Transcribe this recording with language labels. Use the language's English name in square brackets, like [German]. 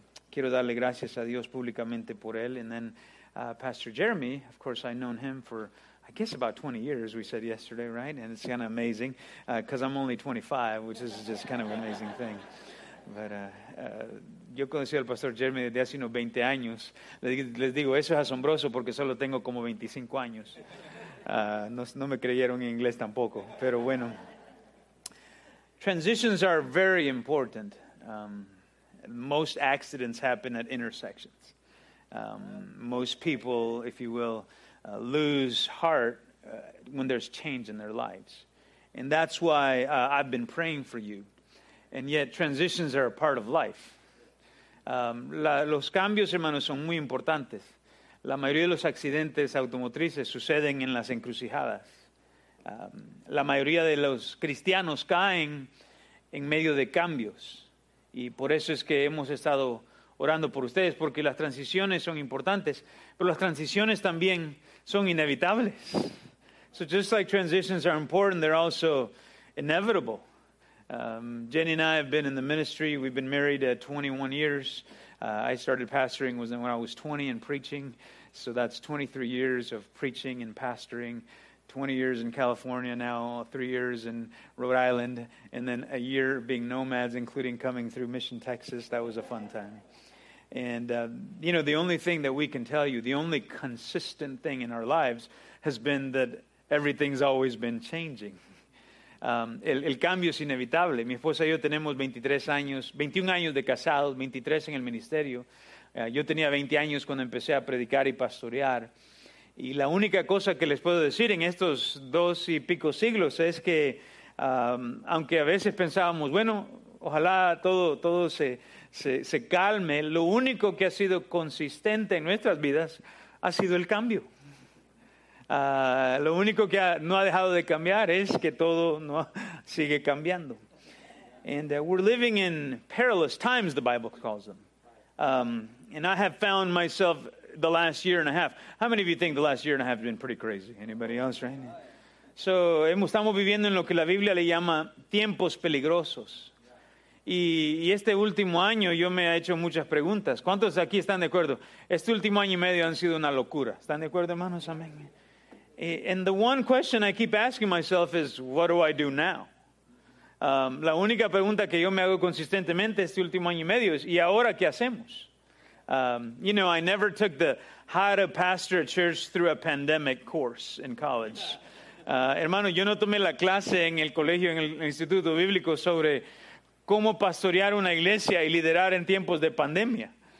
[Spanish] Quiero darle gracias a Dios públicamente por él. [English] And then Pastor Jeremy, of course, I've known him for, I guess, about 20 years, we said yesterday, right? And it's kind of amazing, because I'm only 25, which is just kind of an amazing thing. [Spanish] But yo conocí al pastor Jeremy desde hace unos 20 años. Les digo, eso es asombroso porque solo tengo como 25 años. No me creyeron en inglés tampoco, pero bueno. [English] Transitions are very important. Most accidents happen at intersections. Most people, if you will, lose heart when there's change in their lives. And that's why I've been praying for you. And yet, transitions are a part of life. [Spanish] Los cambios, hermanos, son muy importantes. La mayoría de los accidentes automotrices suceden en las encrucijadas. La mayoría de los cristianos caen en medio de cambios. Y por eso es que hemos estado orando por ustedes, porque las transiciones son importantes. Pero las transiciones también son inevitables. [English] So just like transitions are important, they're also inevitable. Jenny and I have been in the ministry. We've been married 21 years. I started pastoring when I was 20 and preaching. So that's 23 years of preaching and pastoring. 20 years in California now, 3 years in Rhode Island, and then a year being nomads, including coming through Mission, Texas. That was a fun time. And, you know, the only thing that we can tell you, the only consistent thing in our lives has been that everything's always been changing. [Spanish] El cambio es inevitable. Mi esposa y yo tenemos 23 años, 21 años de casados, 23 en el ministerio. Yo tenía 20 años cuando empecé a predicar y pastorear. Y la única cosa que les puedo decir en estos dos y pico siglos es que, aunque a veces pensábamos, bueno, ojalá todo se calme, lo único que ha sido consistente en nuestras vidas ha sido el cambio. Lo único que no ha dejado de cambiar es que todo no sigue cambiando. [English] And we're living in perilous times, the Bible calls them. And I have found myself the last year and a half. How many of you think the last year and a half has been pretty crazy? Anybody else, right? [Spanish] So, estamos viviendo en lo que la Biblia le llama tiempos peligrosos. Y este último año yo me he hecho muchas preguntas. ¿Cuántos de aquí están de acuerdo? Este último año y medio han sido una locura. ¿Están de acuerdo, hermanos? Amén. [English] And the one question I keep asking myself is, what do I do now? [Spanish] La única pregunta que yo me hago consistentemente este último año y medio es, ¿y ahora qué hacemos? [English] You know, I never took the how to pastor a church through a pandemic course in college. [Spanish] Hermano, yo no tomé la clase en el colegio, en el instituto bíblico sobre cómo pastorear una iglesia y liderar en tiempos de pandemia.